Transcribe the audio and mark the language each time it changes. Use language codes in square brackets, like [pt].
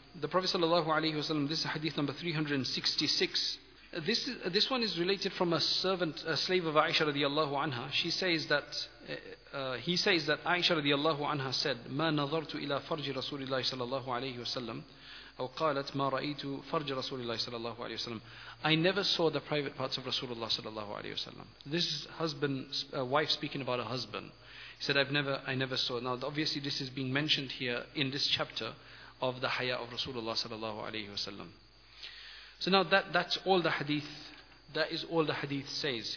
[en] The Prophet sallallahu alaihi wasallam, this is hadith number 366. This one is related from a slave of Aisha radiallahu anha. She says that, he says that Aisha radiallahu anha said, [ar] "Ma nazartu ila farji Rasulillahi sallallahu alaihi wasallam." أو قالت ما رأيت فرج رسول الله صلى الله عليه وسلم. [en] I never saw the private parts of Rasulullah صلى الله عليه وسلم. This is wife speaking about a husband. He said, I never saw. Now obviously this is being mentioned here in this chapter of the haya of Rasulullah صلى الله عليه وسلم. So now that's all the hadith. That is all the hadith says.